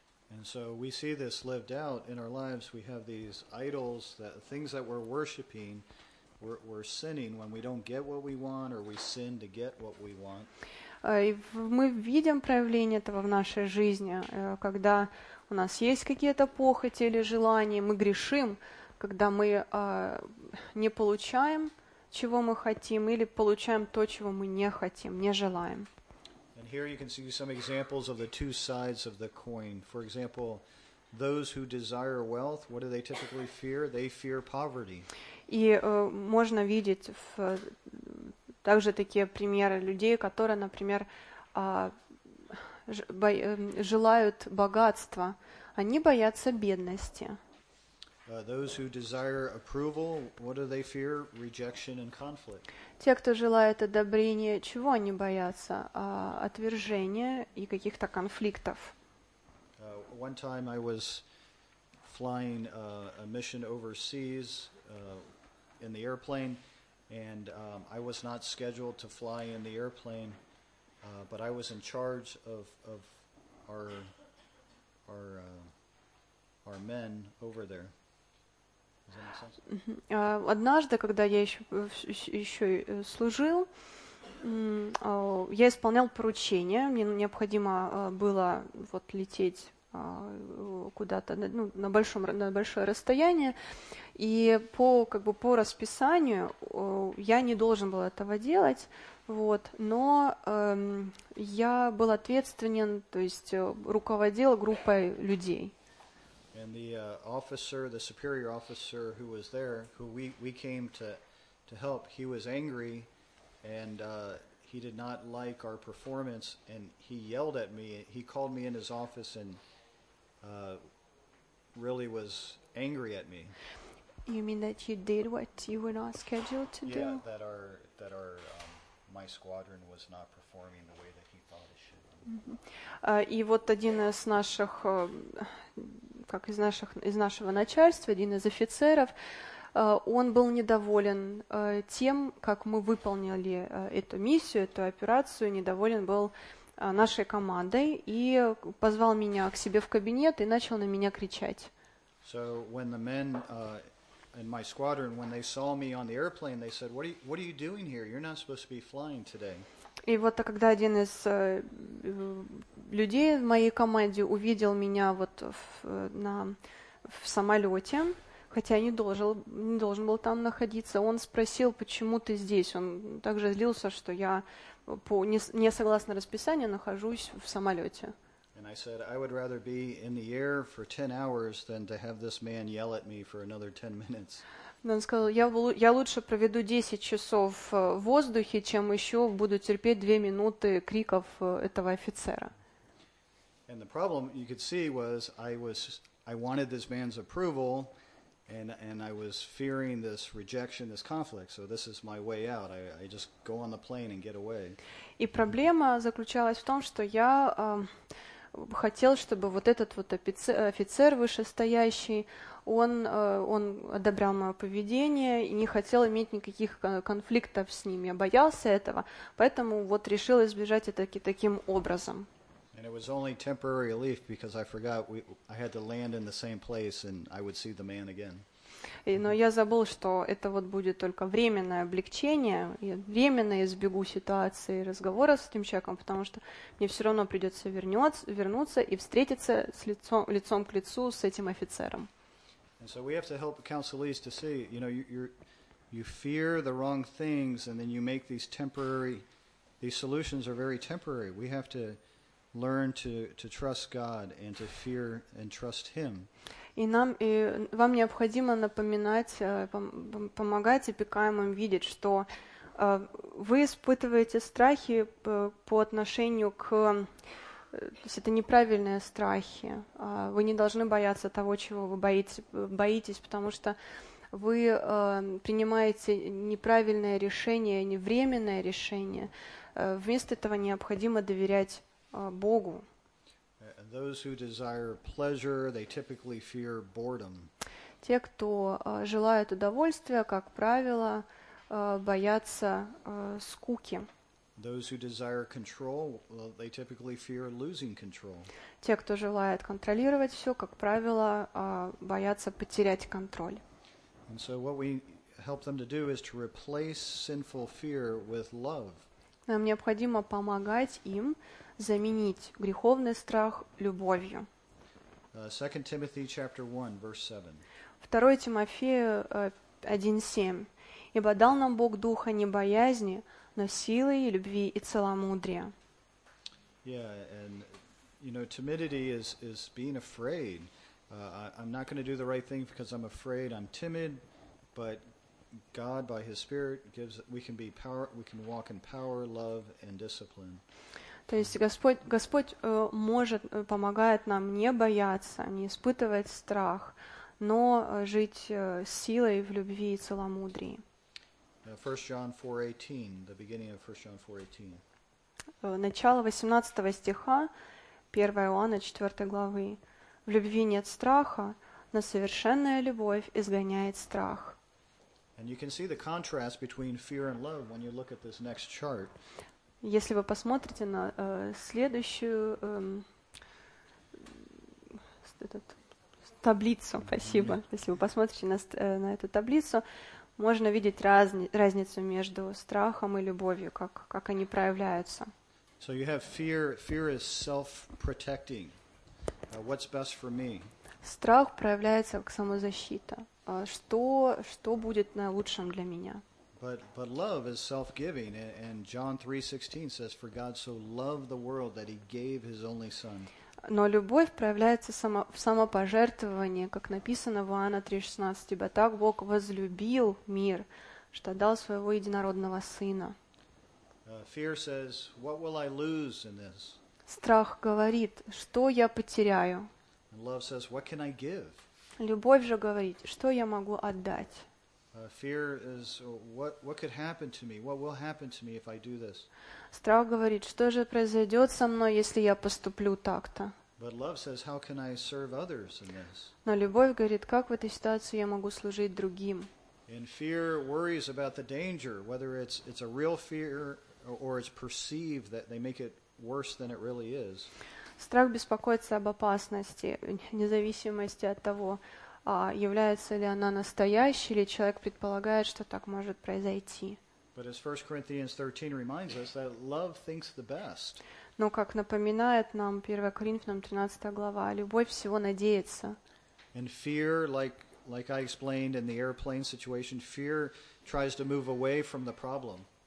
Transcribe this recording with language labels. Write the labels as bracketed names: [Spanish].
[Russian] И мы видим проявление этого в нашей жизни, когда у нас есть какие-то похоти или желания, мы грешим, когда мы не получаем, чего мы хотим, или получаем то, чего мы не хотим, не желаем. [English] And here you can see some examples of the two sides of the coin. For example, those who desire wealth, what do they typically fear? They fear poverty. [Russian] И можно видеть также такие примеры людей, которые, например, желают богатства, они боятся бедности. [English] Those who desire approval, what do they fear? Rejection and conflict. [Russian] Те, кто желает одобрения, чего они боятся? Отвержения и каких-то конфликтов. [English] One time I was flying a mission overseas in the airplane, and I was not scheduled to fly in the airplane. But I was in charge of our men over there. Does that make sense? [Russian] Однажды, когда я еще служил, я исполнял поручение. Мне необходимо было вот лететь куда-то на большое расстояние, и по расписанию я не должен был этого делать. Вот, но я был ответственен, то есть руководил группой людей. [English] And the officer, the superior officer who was there, who we came to help, he was angry, and he did not like our performance, and he yelled at me. He called me in his office and really was angry at me. You mean that you did what you were not scheduled to do? Yeah, that our my squadron was not performing the way that he thought it should. [Russian] И вот один из наших, как из нашего начальства, один из офицеров, он был недоволен тем, как мы выполнили эту миссию, эту операцию, недоволен был нашей командой и позвал меня к себе в кабинет и начал на меня кричать. [English] So when the men in my squadron, when they saw me on the airplane, they said, what are you doing here? You're not supposed to be flying today. [Russian] И вот когда один из людей в моей команде увидел меня вот в самолете, хотя я не должен был там находиться, он спросил, почему ты здесь. Он также злился, что я не согласно расписанию нахожусь в самолете. [English] And I said, I would rather be in the air for 10 hours than to have this man yell at me for another 10 minutes. [Russian] Он сказал, я лучше проведу 10 часов в воздухе, чем еще буду терпеть 2 минуты криков этого офицера. [English] And the problem, you could see, was I wanted this man's approval, and I was fearing this rejection, this conflict. So this is my way out. I just go on the plane and get away. [Russian] И проблема заключалась в том, что я хотел, чтобы вот этот вот офицер вышестоящий, он одобрял мое поведение и не хотел иметь никаких конфликтов с ним. Я боялся этого, поэтому вот решил избежать это таким образом. [English] And it was only temporary relief because I forgot I had to land in the same place and I would see the man again. [Russian] Но я забыл, что это вот будет только временное облегчение, я временно избегу ситуации разговора с этим человеком, потому что мне все равно придется вернуться и встретиться с лицом к лицу с этим офицером. [English] And so we have to help counselees to see, you know, you fear the wrong things, and then you make these temporary, these solutions are very temporary. We have to learn to trust God and to fear and trust Him. [Russian] И нам, и вам необходимо напоминать, помогать опекаемым видеть, что вы испытываете страхи по отношению к... То есть это неправильные страхи. Вы не должны бояться того, чего вы боитесь, потому что вы принимаете неправильное решение, не временное решение. Вместо этого необходимо доверять Богу. [English] Those who desire pleasure, they typically fear boredom. [Russian] Те, кто желают удовольствия, как правило, боятся скуки. [English] Those who desire control, well, they typically fear losing control. [Russian] Те, кто желает контролировать все, как правило, боятся потерять контроль. [English] And so what we help them to do is to replace sinful fear with love. [Russian] Нам необходимо помогать им заменить греховный страх любовью. [English] 2 Timothy chapter 1, verse 7. [Russian] 2 Тимофею 1:7. Ибо дал нам Бог духа не боязни, но силы и любви и целомудрия. [English] Yeah, and you know, timidity is being afraid. I'm not going to do the right thing because I'm afraid. I'm timid, but God by His Spirit gives we can be power. We can walk in power, love, and discipline. [Russian] То есть Господь может помогает нам не бояться, не испытывать страх, но жить силой в любви и целомудрии. [English] 1 John 4:18, the beginning of 1 John 4:18. [Russian] Начало 18 стиха 1 Иоанна 4 главы. В любви нет страха, но совершенная любовь изгоняет страх. [English] And you can see the contrast between fear and love when you look at this next chart. [Russian] Если вы посмотрите на следующую таблицу, спасибо. Если вы посмотрите на эту таблицу, можно видеть разницу между страхом и любовью, как они проявляются. [English] So you have fear. Fear is self-protecting. What's best for me? [Russian] Страх проявляется как самозащита. Что будет наилучшим для меня? [English] But love is self-giving, and John 3:16 says, "For God so loved the world that He gave His only Son." [Russian] Но любовь проявляется в самопожертвовании, как написано в Иоанна 3:16, ибо так Бог возлюбил мир, что дал своего единородного Сына. [English] Fear says, what will I lose in this? [Russian] Страх говорит, что я потеряю. [English] And love says, what can I give? [Russian] Любовь же говорит, что я могу отдать. [English] Fear is what could happen to me? What will happen to me if I do this? [Russian] Страх говорит, что же произойдет со мной, если я поступлю так-то? [English] But love says, how can I serve others in this? [Russian] Но любовь говорит, как в этой ситуации я могу служить другим? [English] And fear worries about the danger, whether it's a real fear or it's perceived that they make it worse than it really is. [Russian] Страх беспокоится об опасности, вне зависимости от того, является ли она настоящей, или человек предполагает, что так может произойти. [English] But as 1 Corinthians 13 reminds us that love thinks the best. [Russian] Но как напоминает нам 1 Коринфянам 13 глава, любовь всего надеется. [English] And fear, like I explained in the airplane situation, fear tries to move away from the problem.